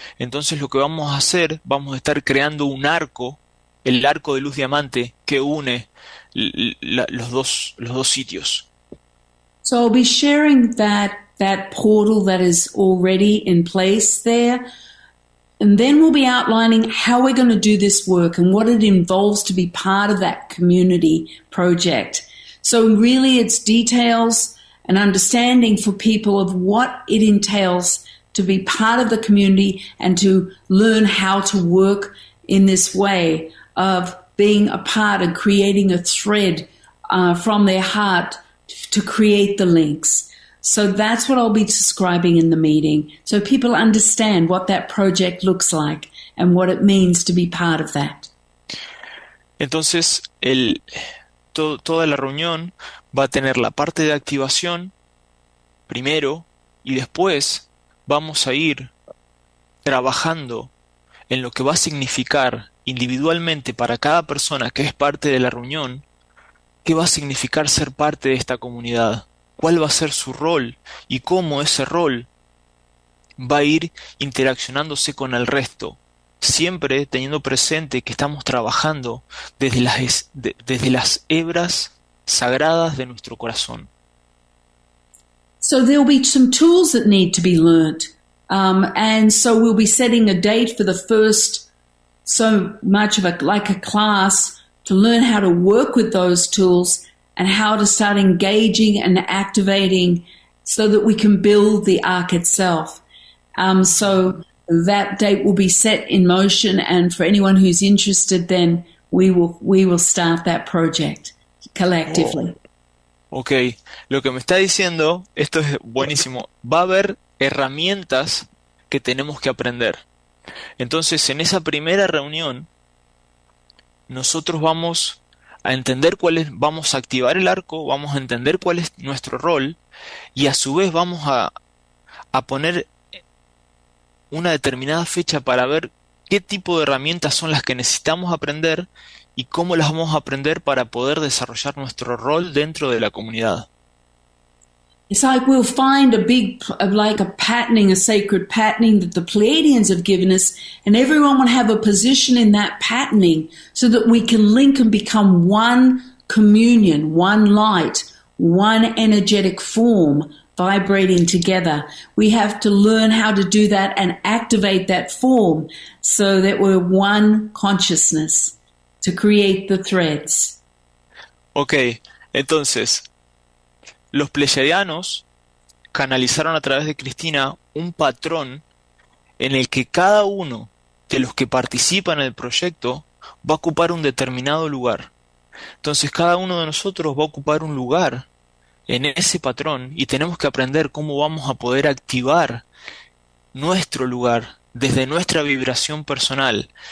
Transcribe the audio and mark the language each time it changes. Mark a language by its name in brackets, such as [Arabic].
[Spanish] Entonces lo que vamos a hacer, vamos a estar creando un arco, el arco de luz diamante que une los dos sitios. [English] So I'll be sharing that portal that is already in place there. And then we'll be outlining how we're going to do this work and what it involves to be part of that community project. So really it's details and understanding for people of what it entails to be part of the community and to learn how to work in this way of being a part and creating a thread from their heart to create the links. So that's what I'll be describing in the meeting, so people understand what that project looks like and what it means to be part of that. [Spanish] Entonces, toda la reunión va a tener la parte de activación primero y después vamos a ir trabajando en lo que va a significar individualmente para cada persona que es parte de la reunión, qué va a significar ser parte de esta comunidad, cuál va a ser su rol y cómo ese rol va a ir interaccionándose con el resto. Siempre teniendo presente que estamos trabajando desde las hebras sagradas de nuestro corazón. [English] So there'll be some tools that need to be learnt. And so we'll be setting a date for the first, so much of a class to learn how to work with those tools and how to start engaging and activating so that we can build the arc itself. So that date will be set in motion, and for anyone who's interested, then we will start that project Oh, collectively. [Spanish] ok, lo que me está diciendo, esto es buenísimo, va a haber herramientas que tenemos que aprender. Entonces, en esa primera reunión, nosotros vamos a entender vamos a activar el arco, vamos a entender cuál es nuestro rol y a su vez vamos a poner una determinada fecha para ver qué tipo de herramientas son las que necesitamos aprender. ¿Y cómo las vamos a aprender para poder desarrollar nuestro rol dentro de la comunidad? [English] It's like we'll find a big, like a patterning, a sacred patterning that the Pleiadians have given us, and everyone will have a position in that patterning so that we can link and become one communion, one light, one energetic form vibrating together. We have to learn how to do that and activate that form so that we're one consciousness to create the threads. [Spanish] Okay, entonces, los pleyadianos canalizaron a través de Cristina un patrón en el que cada uno de los que participan en el proyecto va a ocupar un determinado lugar. Entonces, cada uno de nosotros va a ocupar un lugar en ese patrón y tenemos que aprender cómo vamos a poder activar nuestro lugar desde nuestra vibración personal.